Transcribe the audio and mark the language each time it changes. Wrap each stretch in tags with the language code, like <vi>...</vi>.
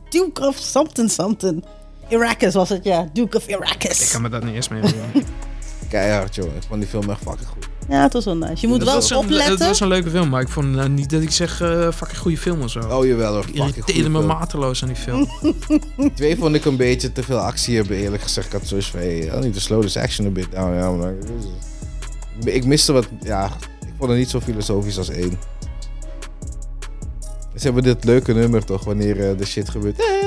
<nl>Duke of something. Irakus was het, ja. Duke of Irakus. Ik kan me dat niet eens meer doen. Ik keihard, joh. Ik vond die film echt fucking goed. Ja, het was wel nice. Je moet wel opletten. Het was een leuke film, maar ik vond niet dat ik zeg fucking goede film of zo. Oh, jawel. Ik irriteerde me mateloos aan die film. Twee vond ik een beetje te veel actie hebben, eerlijk gezegd. Ik had zoiets van, hey,</nl> <en>I need to slow this action a bit down.</en> <nl>Ja, maar ik miste wat, ja, ik vond het niet zo filosofisch als één. Ze dus hebben dit leuke nummer toch, wanneer de shit gebeurt.</nl>